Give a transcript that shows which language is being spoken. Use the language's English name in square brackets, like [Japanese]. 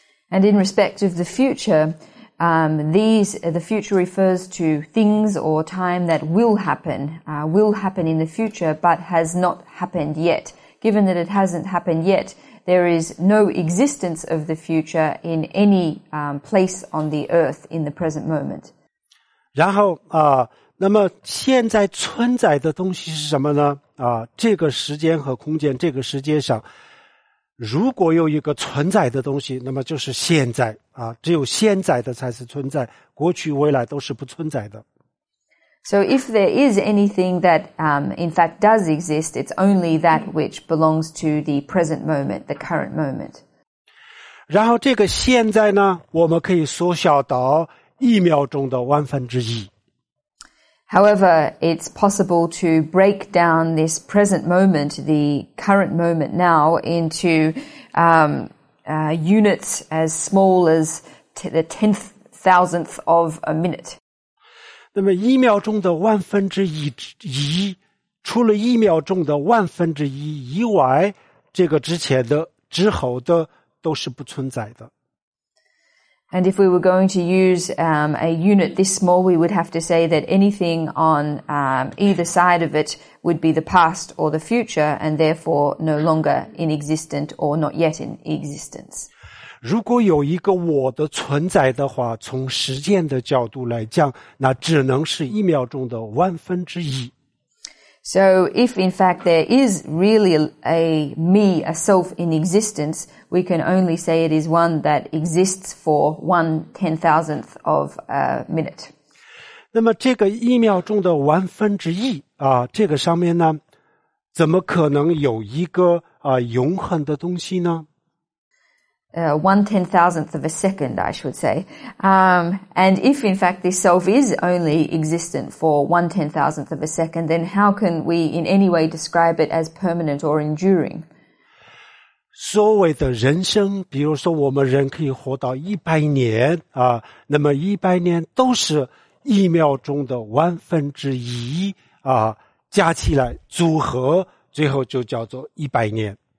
[English] And in respect of the future, the future refers to things or time that will happen in the future, but has not happened yet. Given that it hasn't happened yet,There is no existence of the future in any place on the earth in the present moment. [Chinese] 然后那么现在存在的东西是什么呢？这个时间和空间，这个世界上，如果有一个存在的东西，那么就是现在只有现在的才是存在，过去、未来都是不存在的。 [English] So if there is anything that in fact does exist, it's only that which belongs to the present moment, the current moment. [Chinese] 然后这个现在呢，我们可以缩小到1/1秒. [English] However, it's possible to break down this present moment, the current moment now, into units as small as the 1/10,000th of a minute. [Chinese] 那么1/1秒，除了1/1秒以外，这个之前的、之后的都是不存在的。 [English] And if we were going to use a unit this small, we would have to say that anything on either side of it would be the past or the future, and therefore no longer in existence or not yet in existence. [Chinese] 如果有一个我的存在的话，从时间的角度来讲，那只能是一秒钟的万分之一。 [English] So if in fact there is really a me, a self in existence, we can only say it is one that exists for 1/10,000th of a minute. [Chinese] 那么这个一秒钟的万分之一啊，这个上面呢，怎么可能有一个啊永恒的东西呢？ [English] 1/10,000th of a second, I should say. And if in fact this self is only existent for 1/10,000th of a second, then how can we in any way describe it as permanent or enduring? [Chinese] 所谓的人生，比如说我们人可以活到一百年啊，那么一百年都是一秒钟的万分之一啊，加起来组合，最后就叫做一百年。